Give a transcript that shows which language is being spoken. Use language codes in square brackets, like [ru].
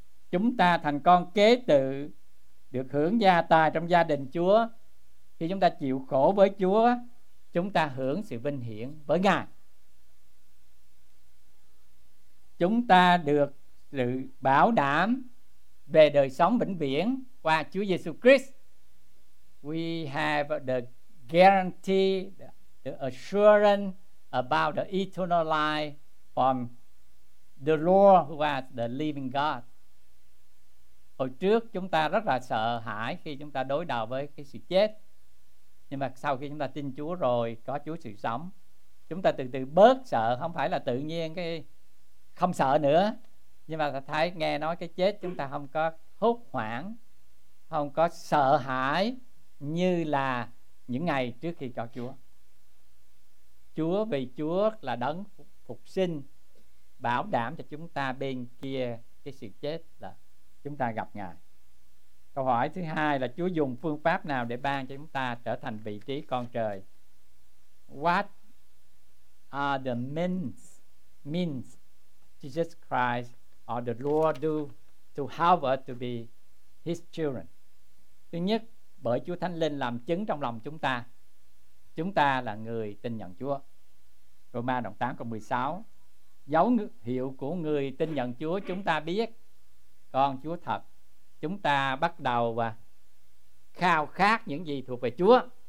[vi] Chúng ta thành con kế tự, được hưởng gia tài trong gia đình Chúa. Khi chúng ta chịu khổ với Chúa, chúng ta hưởng sự vinh hiển với Ngài. Chúng ta được sự bảo đảm về đời sống vĩnh viễn qua Chúa Giêsu Christ. [en] We have the guarantee, the assurance about the eternal life from the Lord who is the living God. [vi] Hồi trước chúng ta rất là sợ hãi khi chúng ta đối đầu với cái sự chết, nhưng mà sau khi chúng ta tin Chúa rồi, có Chúa sự sống, chúng ta từ từ bớt sợ. Không phải là tự nhiên cái không sợ nữa, nhưng mà thấy nghe nói cái chết chúng ta không có hốt hoảng, không có sợ hãi như là những ngày trước khi có Chúa. Chúa, vì Chúa là đấng phục sinh bảo đảm cho chúng ta bên kia cái sự chết là chúng ta gặp Ngài. Câu hỏi thứ hai là Chúa dùng phương pháp nào để ban cho chúng ta trở thành vị trí con trời? [en] What are the means Jesus Christ or the Lord do to help us to be His children? [vi] Thứ nhất, bởi Chúa Thánh Linh làm chứng trong lòng chúng ta, chúng ta là người tin nhận Chúa. Roma đoạn 8 câu 16, dấu hiệu của người tin nhận Chúa, chúng ta biết con Chúa thật. Chúng ta bắt đầu và khao khát những gì thuộc về Chúa.